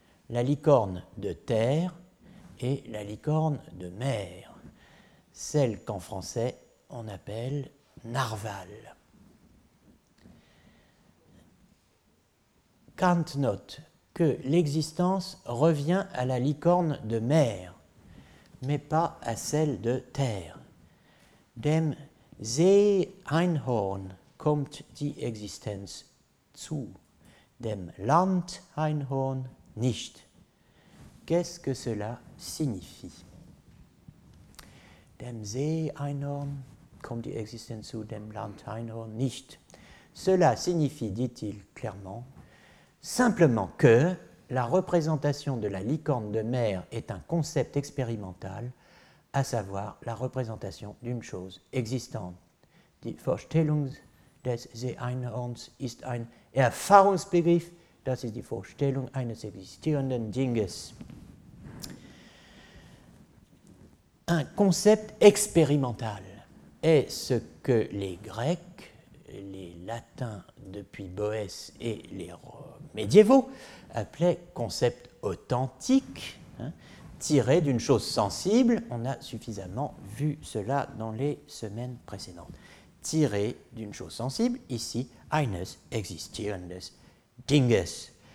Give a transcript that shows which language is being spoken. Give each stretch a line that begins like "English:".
French: La licorne de terre et la licorne de mer, celle qu'en français on appelle narval. Kant note que l'existence revient à la licorne de mer, mais pas à celle de terre.
German: Dem See-Einhorn kommt die Existenz zu, dem Land-Einhorn nicht.
French: Qu'est-ce que cela signifie?
German: Dem See-Einhorn kommt die Existenz zu, dem Land-Einhorn nicht.
French: Cela signifie, dit-il clairement, simplement que la représentation de la licorne de mer est un concept expérimental, à savoir la représentation d'une chose existante.
German: Die Vorstellung des See-Einhorns ist ein Erfahrungsbegriff, das ist die Vorstellung eines existierenden Dinges.
French: Un concept expérimental est ce que les Grecs, les Latins depuis Boès et les médiévaux appelaient concept authentique, hein, tiré d'une chose sensible, on a suffisamment vu cela dans les semaines précédentes, tiré d'une chose sensible, ici,
German: eines existierendes Dinges.